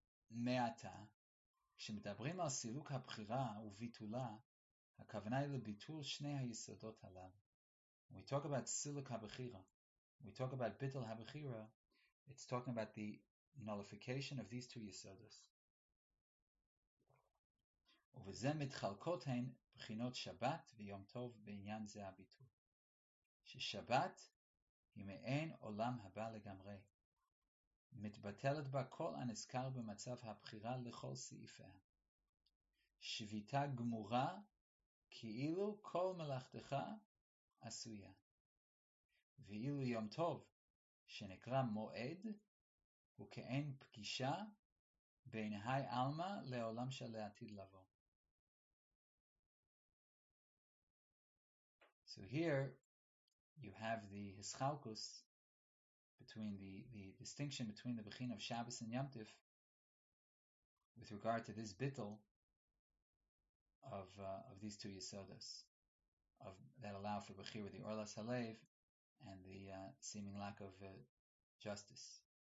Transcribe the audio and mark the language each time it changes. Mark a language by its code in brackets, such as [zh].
[he] מעתה, כשמדברים על סילוק הבחירה וביטולה, הכוונה היא לביטול שני היסודות הללו. [en] We talk about סילוק הבחירה. We talk about ביטול הבחירה. It's talking about the nullification of these two יסודות. [he] ובזה מתחלקות הן בחינות שבת ויום טוב בעניין זה הביטול. ששבת היא מעין עולם הבא לגמרי. מתבטלת בה כל הנזכר במצב הבחירה לכל סעיפיה. שביתה גמורה כאילו כל מלאכתך עשויה. ואילו יום טוב שנקרא מועד הוא כאין פגישה בין היי אלמה לעולם של העתיד לבוא. [en] So here you have the Hischalkus between the distinction between the Bechin of Shabbos and Yom Tov with regard to this bittel of these two Yesodos of that allow for Bechira, the Orlas HaLev, and the seeming lack of justice.